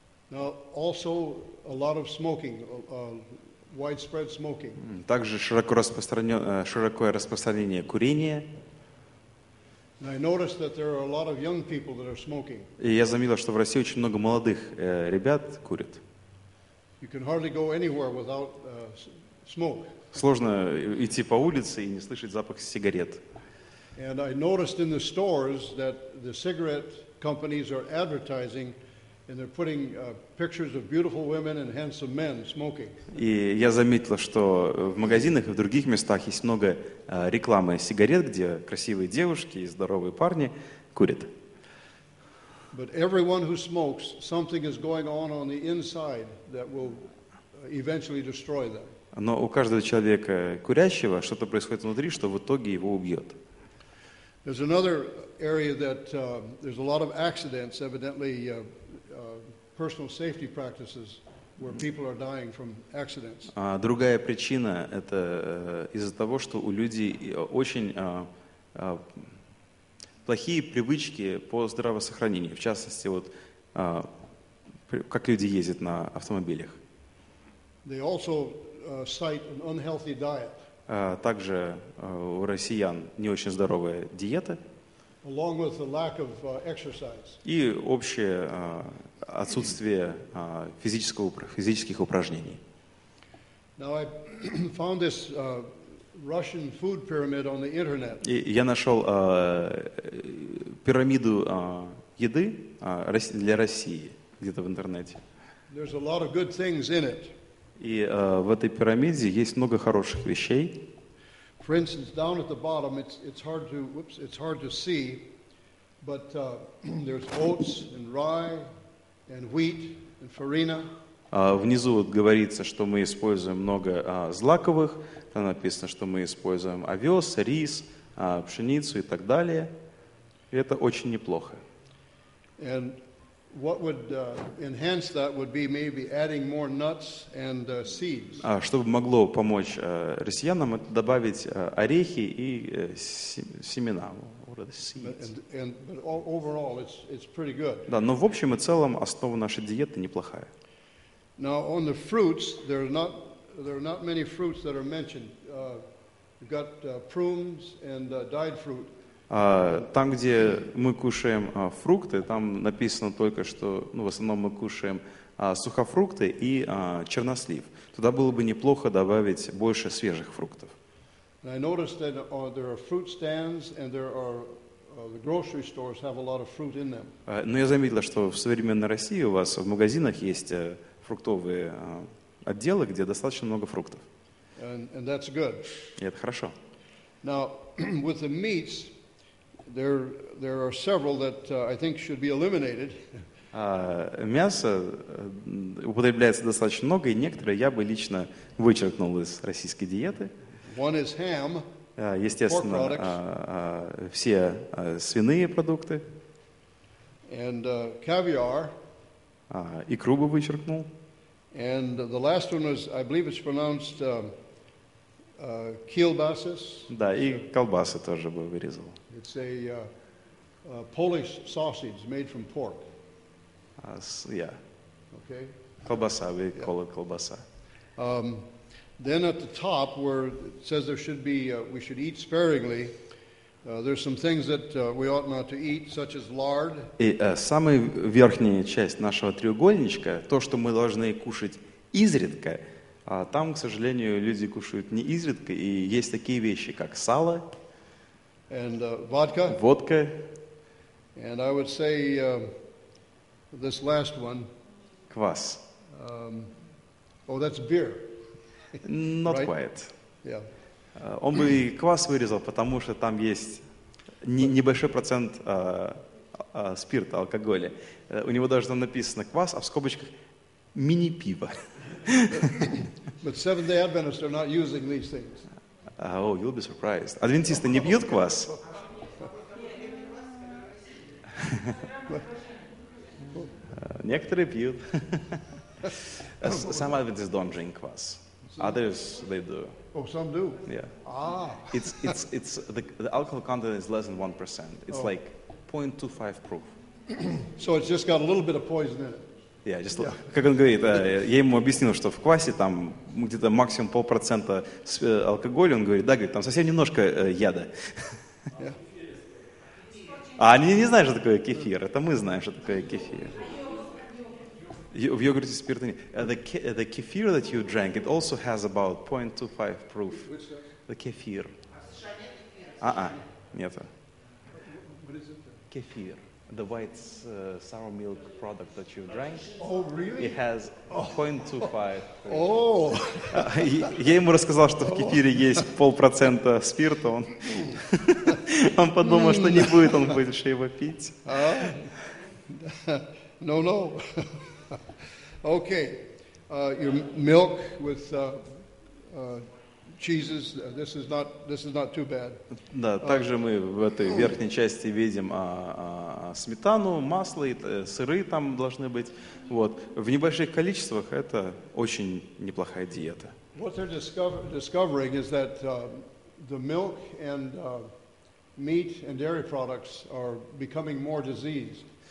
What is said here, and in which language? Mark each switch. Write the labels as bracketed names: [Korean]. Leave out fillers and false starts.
[English] Now also a lot of smoking, widespread smoking. [Russian] Также широкое распространение курения. [English] I noticed that there are a lot of young people that are smoking. [Russian] И я заметил, что в России очень много молодых ребят курят. [English] You can hardly go anywhere without smoke. [Russian] Сложно идти по улице и не слышать запах сигарет. [English] And I noticed in the stores that the cigarette companies are advertising and they're putting pictures of beautiful women and handsome men smoking. [Russian] И я заметил, что в магазинах и в других местах есть много рекламы сигарет, где красивые девушки и здоровые парни курят. [English] But everyone who smokes, something is going on the inside that will eventually destroy them. [Russian] Но у каждого человека курящего что-то происходит внутри, что в итоге его убьет. [English] There's another area that there's a lot of accidents, evidently personal safety practices where people are dying from accidents. [Russian] Другая причина это из-за того, что у людей очень плохие привычки по здравосохранению, в частности вот как люди ездят на автомобилях. [English] They also cite an unhealthy diet. [Russian] Также у россиян не очень здоровая диета. [English] Along with the lack of exercise. [Russian] И общее отсутствие физических упражнений. [English] Now I found this Russian food pyramid on the internet. [Russian] И я нашел пирамиду еды для России где-то в интернете. [English] There's a lot of good things in it. [Russian] И в этой пирамиде есть много хороших вещей. [English] For instance, down at the bottom, it's hard to see, but there's oats and rye and wheat and farina. [Russian] Внизу вот говорится, что мы используем много злаковых. Там написано, что мы используем овес, рис, пшеницу и так далее. И это очень неплохо. [English] And what would enhance that would be maybe adding more nuts and seeds. [Russian] Что бы могло помочь россиянам, это добавить орехи и семена. [English] But overall, it's pretty good. [Russian] Да, но в общем и целом основа нашей диеты неплохая. [English] Now on the fruits, there are not many fruits that are mentioned. We've got prunes and dried fruit. [Russian] Там, где мы кушаем фрукты, там написано только, что в основном мы кушаем сухофрукты и чернослив. Туда было бы неплохо добавить больше свежих фруктов. [English] And I noticed that there are fruit stands and there are the grocery stores have a lot of fruit in them. [Russian] Но я заметила, что в современной России у вас в магазинах есть фруктовые отделы, где достаточно много фруктов. [English] And that's good. [Russian] И это хорошо. [English] Now, with the meats, There are several that I think should be eliminated. [Russian] Мясо употребляется достаточно много, и некоторые я бы лично вычеркнул из российской диеты. [English] One is ham. [Russian] Естественно, [English] pork products. [Russian] Все свиные продукты. [English] And caviar. [Russian] Икру бы вычеркнул. [English] And the last one is, I believe it's pronounced kielbasis. [Russian] Да, и колбасы тоже бы вырезал. [English] It's a Polish sausage made from pork. Yeah. Okay. Колбаса, we call it колбаса. Then at the top where it says there should be, we should eat sparingly, there's some things that we ought not to eat, such as lard. [Russian] И самая верхняя часть нашего треугольничка, то, что мы должны кушать изредка, там, к сожалению, люди кушают не изредка, и есть такие вещи, как сало, [English] and vodka. [Russian] Водка. [English] And I would say this last one. [Russian] Квас. [English] That's beer. Not right? Quite. Yeah. [Russian] Он бы и квас вырезал, потому что там есть небольшой процент спирта, алкоголя. У него даже там написано квас, а в скобочках мини-пиво. [English] But Seventh-day Adventists are not using these things. Oh, you'll be surprised. [Russian] Адвентисты не пьют квас? Некоторые пьют. [English] Some Adventists don't drink квас. Others, they do. Oh, some do. Yeah. Ah. It's the alcohol content is less than 1%. It's like 0.25 proof. So it's just got a little bit of poison in it. Yeah, just [Russian] как он говорит, я ему объяснил, что в квасе там где-то максимум 0.5% алкоголя. Он говорит, да, говорит, там совсем немножко яда. А они не знают, что такое кефир. Это мы знаем, что такое кефир. В йогурте спирта нет. [English] The kefir that you drank, it also has about 0.25 proof. The kefir. [Russian] Нет. Кефир. [English] The white sour milk product that you drank. Oh, really? It has 0.25. Oh! [Russian] Я ему рассказал, что в кефире есть 0.5% спирта. Он подумал, что не будет он больше его пить. [English] No. Okay. Your milk with cheeses, this is not too bad. [Russian] Да, также мы в этой верхней части видим сметану, масло и сыры там должны быть. Вот. В небольших количествах это очень неплохая диета. [English] What they're discovering is that the milk and meat and dairy products are becoming more diseased.